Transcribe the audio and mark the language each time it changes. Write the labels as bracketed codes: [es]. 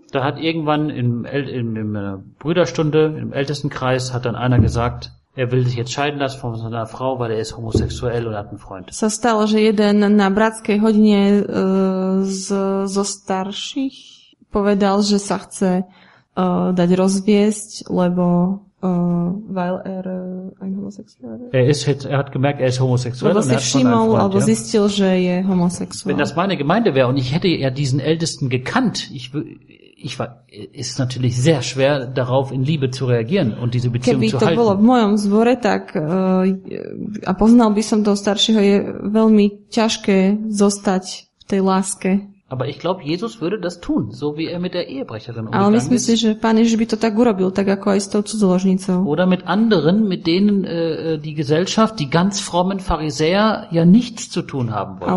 [de] Da hat irgendwann in Brüderstunde im Ältestenkreis hat dann einer gesagt, er will sich jetzt scheiden lassen von seiner Frau, weil er ist homosexuell und hat einen Freund. [sk] Sa stalo, že jeden na bratskej hodine zo starších povedal, že sa chce dať rozviesť, lebo [de] weil ein homosexueller. Er hat gemerkt, er ist homosexuell und hat schon einen Freund, [sk] ja. Zistil, že je homosexuell. [de] Wenn das meine Gemeinde wäre und ich hätte ja diesen Ältesten gekannt, ich war, ist natürlich sehr schwer darauf in Liebe zu reagieren und diese Beziehung [sk] keby [de] zu halten. [sk] Keby to bolo v mojom zbore, tak a poznal by som toho staršieho, je veľmi ťažké zostať v tej láske. [de] Aber ich glaube, Jesus würde das tun, so wie er mit der Ehebrecherin umgegangen ist. [sk] Ale myslím si, že Pán Ježiš by to tak urobil, tak ako aj s tou cudzoložnicou. [de] Oder mit anderen, mit denen die Gesellschaft, die ganz frommen Pharisäer ja nichts zu tun haben wollten.